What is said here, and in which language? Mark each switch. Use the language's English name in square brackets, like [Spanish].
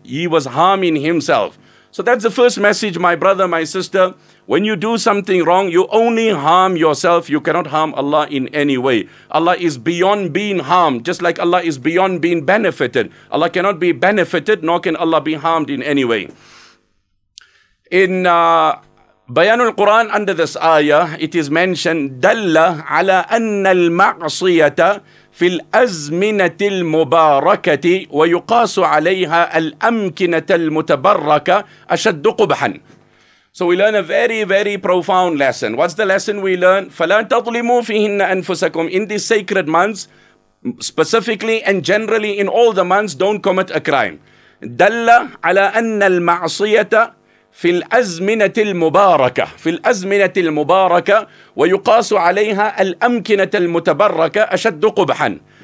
[English] He was harming himself. So that's the first message, my brother, my sister. When you do something wrong, you only harm yourself. You cannot harm Allah in any way. Allah is beyond being harmed, just like Allah is beyond being benefited. Allah cannot be benefited, nor can Allah be harmed in any way. [Arabic] In بيان القرآن [English] under this ayah, it is mentioned [Arabic] دل على أن المعصية في الأزمنة المباركة ويقاس عليها الأمكنة المتبركة أشد قبحا. [English] So we learn a very, very profound lesson. What's the lesson we learn? [Arabic] فلا تظلموا فيهن أنفسكم. [English] In these sacred months, specifically and generally in all the months, don't commit a crime. [Arabic] دل على أن المعصية في الأزمنة المباركة في الأزمنة المباركة ويقاس عليها الأمكنة المتبركة أشد قبحا